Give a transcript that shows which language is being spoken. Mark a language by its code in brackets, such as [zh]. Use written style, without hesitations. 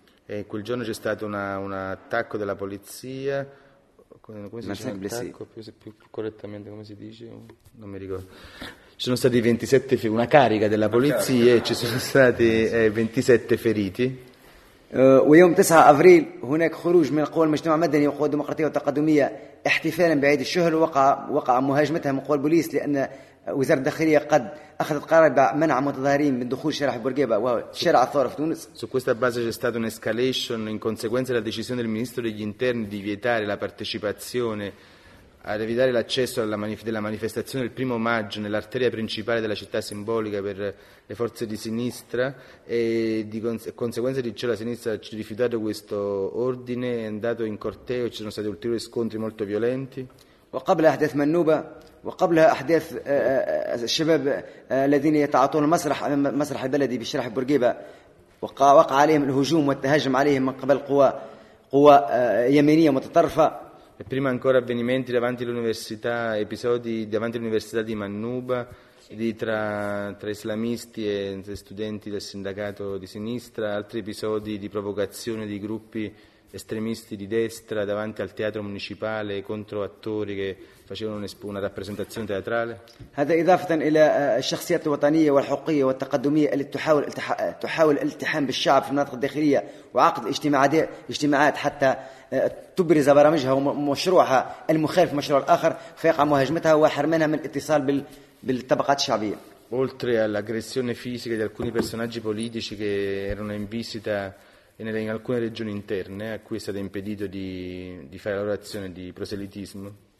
[it] E quel giorno c'è stato un attacco della polizia, ci sono stati 27 feriti, una carica della polizia e ci sono stati 27 feriti. [ar] ويوم 9 ابريل هناك خروج من قوى المجتمع المدني وقوى الديمقراطية والتقدمية احتفالا بعيد الشهر وقع مهاجمتها من قوى البوليس لان وزارة الداخلية قد اخذت قرار بمنع متظاهرين من دخول شارع بورقيبة وشارع الثورة في تونس. [it] Su questa base c'è stata un'escalation in conseguenza della decisione del ministro degli interni di vietare la partecipazione ad evitare l'accesso alla della manifestazione del primo maggio nell'arteria principale della città simbolica per le forze di sinistra e di conseguenza di ciò la sinistra ha rifiutato questo ordine, è andato in corteo, ci sono stati ulteriori scontri molto violenti. [ar] وقبل احداث منوبه وقبلها احداث الشباب الذين يتعاطون المسرح امام مسرح البلدي بشارع بورقيبه وقع عليهم الهجوم والتهاجم عليهم من قبل قوى يمينيه متطرفه. [it] E prima ancora avvenimenti davanti all'università, episodi davanti all'università di Mannuba, tra islamisti e studenti del sindacato di sinistra, altri episodi di provocazione di gruppi estremisti di destra davanti al teatro municipale contro attori che facevano una rappresentazione teatrale. [ar] هذا إضافة إلى الشخصيات الوطنية والحقوقية والتقدمية التي تحاول الالتحام بالشعب في المناطق الداخلية وعقد اجتماعات حتى تبرز برامجها ومشروعها المخالف مشروع الآخر فيقع مهاجمتها وحرمانها من الاتصال بالطبقات الشعبية. [it] Oltre all'aggressione fisica di alcuni personaggi politici che erano in visita in alcune regioni interne a cui è stato impedito di fare la loro azione di proselitismo.